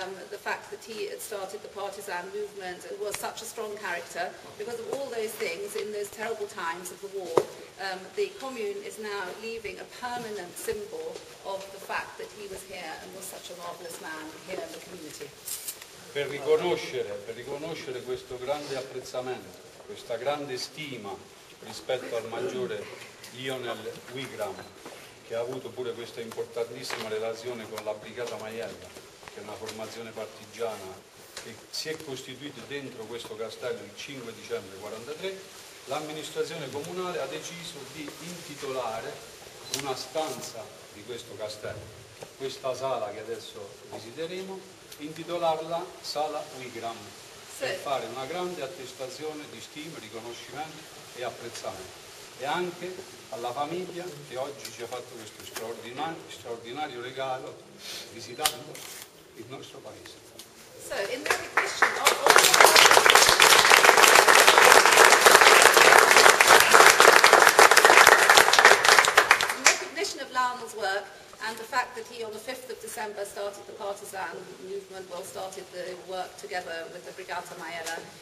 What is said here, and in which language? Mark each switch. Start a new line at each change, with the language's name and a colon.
English: the fact that he had started the partisan movement and was such a strong character. Because of all those things, in those terrible times of the war, the commune is now leaving a permanent symbol of the fact that he was here and was such a marvelous man here in the community.
Italian: Per riconoscere questo grande apprezzamento, questa grande stima rispetto al maggiore Lionel Wigram, che ha avuto pure questa importantissima relazione con la Brigata Maiella, che è una formazione partigiana che si è costituita dentro questo castello il 5 dicembre 1943, l'amministrazione comunale ha deciso di intitolare una stanza di questo castello, questa sala che adesso visiteremo, intitolarla Sala Wigram, per fare una grande attestazione di stima, riconoscimento e apprezzamento. E anche alla famiglia che oggi ci ha fatto questo straordinario regalo visitando il nostro paese.
English: So, in the question of... in recognition of Lionel's work and the fact that he on the 5th of December started the partisan movement, well, started the work together with the Brigata Maiella,